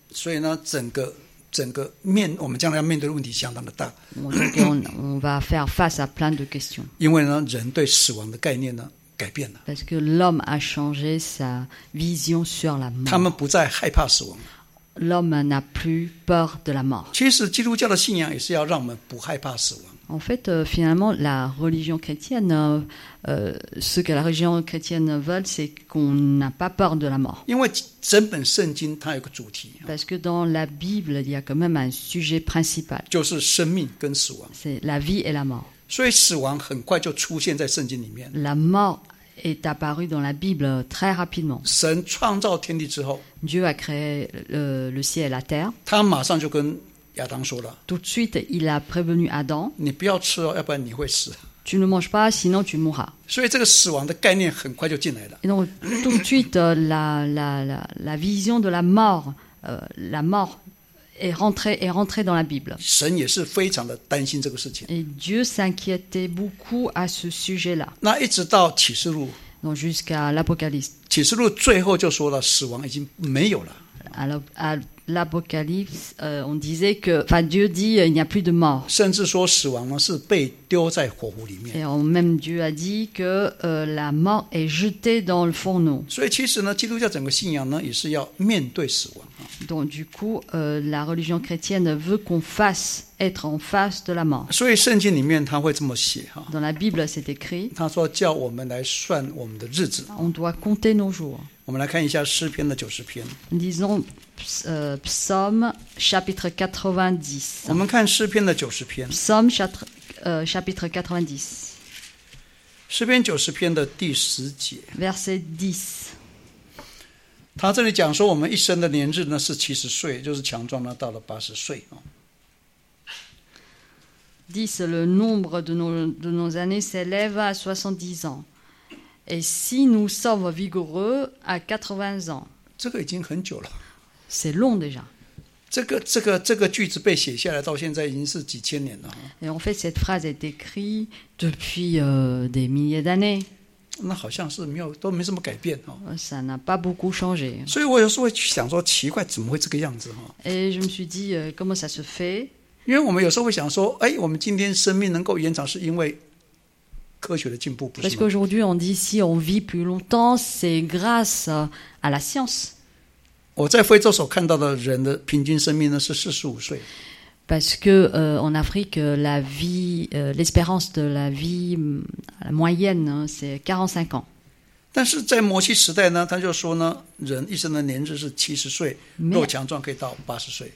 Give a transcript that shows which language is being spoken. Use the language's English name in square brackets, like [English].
[Chinese] 所以呢，整个面我们将来要面对的问题相当的大。 [French] On va faire face à plein de questions. [Chinese] 因为呢，人对死亡的概念呢改变了。 [French] Parce que l'homme a changé sa vision sur la mort. [Chinese] 他们不再害怕死亡。 [French] L'homme n'a plus peur de la mort. [Chinese] 其实基督教的信仰也是要让我们不害怕死亡。 [French] En fait, finalement, la religion chrétienne, ce que la religion chrétienne veut, c'est qu'on n'a pas peur de la mort. [Chinese] 因为整本圣经它有个主题。 [French] Parce que dans la Bible, il y a quand même un sujet principal. [Chinese] 就是生命跟死亡。 [French] C'est la vie et la mort. [Chinese] 所以死亡很快就出现在圣经里面。 [French] La mort est apparu dans la Bible très rapidement. [Chinese] 神创造天地之后, [French] Dieu a créé le ciel et la terre. [Chinese] 他马上就跟亚当说了, [French] Tout de suite, il a prévenu Adam. [Chinese] 你不要吃哦, 要不然你会死。 [French] Tu ne manges pas, sinon tu mourras. [Chinese] 所以这个死亡的概念很快就进来了。 [French] Donc, tout de suite, la vision de la mort, la mort est rentrée dans la Bible. [Chinese] 神也是非常的担心这个事情。 [French] Et Dieu s'inquiétait beaucoup à ce sujet-là. [Chinese] 那一直到启示录。 [French] Donc, jusqu'à l'Apocalypse. [Chinese] 启示录最后就说了，死亡已经没有了。 [French] Alors, à l'Apocalypse, on disait que, enfin, Dieu dit, il n'y a plus de mort. [Chinese] 甚至说死亡呢是被丢在火湖里面。 [French] Et même Dieu a dit que la mort est jetée dans le fourneau. [Chinese] 所以其实呢，基督教整个信仰呢也是要面对死亡。 [French] Donc, du coup, la religion chrétienne veut qu'on fasse être en face de la mort. [Chinese] 所以圣经里面他会这么写哈。 [French] Dans la Bible, c'est écrit. [Chinese] 他说叫我们来算我们的日子。 [French] On doit compter nos jours. [Chinese] 我们来看一下诗篇的九十篇。 [French] Disons, Psaume chapitre 90. [Chinese] 我们看诗篇的九十篇。 [French] Psaume chapitre 90. [Chinese] 诗篇九十篇的第十节。 [French] Verset 10. [Chinese] 他这里讲说我们一生的年日呢是七十岁，就是强壮呢到了八十岁。 [French] 10, le nombre de nos années s'élève à 70 ans. Et si nous sommes vigoureux à 80 ans. [Chinese] 这个已经很久了。 [French] C'est long déjà. [Chinese] 这个句子被写下来到现在已经是几千年了。 [French] Et en fait, cette phrase est écrite depuis des milliers d'années. [Chinese] 那好像是没有，都没什么改变。 [French] Ça n'a pas beaucoup changé. [Chinese] 所以我有时候会想说，奇怪，怎么会这个样子？ [French] Et je me suis dit, comment ça se fait? [Chinese] 因为我们有时候会想说，哎，我们今天生命能够延长是因为科学的进步，不是吗？ [French] Parce qu'aujourd'hui, on dit si on vit plus longtemps, c'est grâce à la science. [Chinese] 我在非洲所看到的人的平均生命呢是45岁。 [French] Parce que, en Afrique, la vie, l'espérance de la vie la moyenne, c'est 45 ans. [Chinese] 但是在摩西时代呢，他就说呢，人一生的年日是70岁，若强壮可以到80岁。